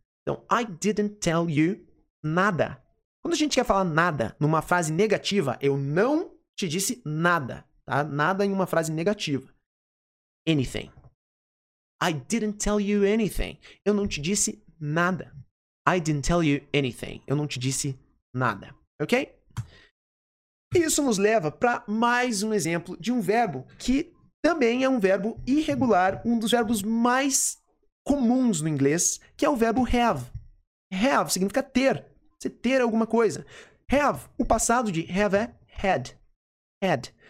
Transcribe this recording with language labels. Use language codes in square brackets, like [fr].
[en] Então, I didn't tell you nada. [pt] Quando a gente quer falar nada numa frase negativa, eu não te disse nada, tá? Nada em uma frase negativa. [en] Anything. I didn't tell you anything. [pt] Eu não te disse nada. [en] I didn't tell you anything. [pt] Eu não te disse nada, ok? Isso nos leva para mais um exemplo de um verbo que também é um verbo irregular, um dos verbos mais comuns no inglês, que é o verbo have. Have significa ter. Você ter alguma coisa. Have, o passado de have é had. Had.